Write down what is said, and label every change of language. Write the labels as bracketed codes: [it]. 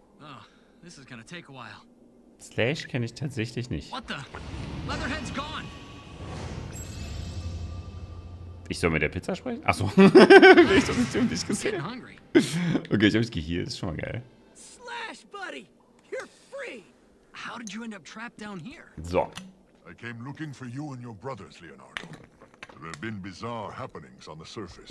[en] Oh, this is gonna take a while. [de] Slash kenne ich tatsächlich nicht. [en] What the? Leatherhead's gone. [de] Ich soll mit der Pizza sprechen? Achso. Ich hab's ziemlich gesehen. Okay, ich hab's geheilt. Ist schon mal geil. [en] Slash, buddy, you're free. How did you end up trapped down here? So. I came looking for you and your brothers, Leonardo. There have been bizarre happenings on the surface.